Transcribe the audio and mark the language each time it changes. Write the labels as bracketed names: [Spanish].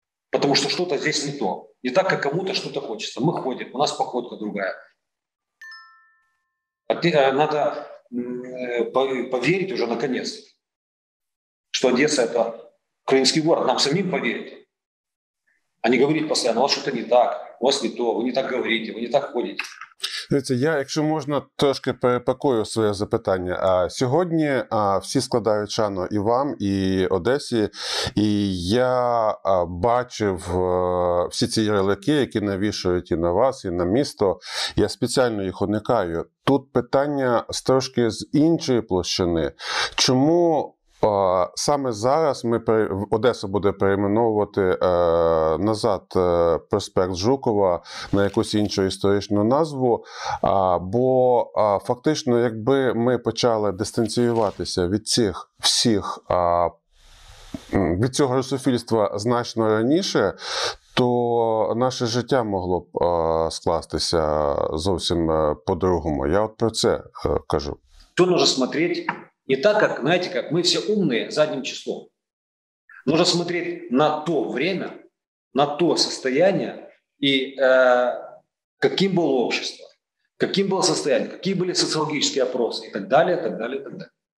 [Russian] Потому что что-то здесь не то. Не так, как кому-то что-то хочется. Мы ходим, у нас походка другая. Надо поверить уже наконец, что Одесса – это украинский город. Нам самим поверить. А не говорить постоянно, у вас что-то не так, у вас не то, вы не так говорите, вы не так ходите. [Ukrainian] Дивіться, я, якщо можна, трошки перепакую своє запитання. А сьогодні всі складають шану і вам, і Одесі, і я бачив всі ці ярлики, які навішують і на вас, і на місто. Я спеціально їх уникаю. Тут питання трошки з іншої площини. Чому саме зараз Одеса буде перейменовувати назад проспект Жукова на якусь іншу історичну назву, бо фактично, якби ми почали дистанціюватися від цих всіх, від цього русофільства значно раніше, то наше життя могло б скластися зовсім по-другому. Я от про це кажу. Тут можна смотрети. [Russian] Не так, как, знаете, как мы все умные задним числом. Нужно смотреть на то время, на то состояние, и каким было общество, каким было состояние, какие были социологические опросы и так далее, и так далее, и так далее.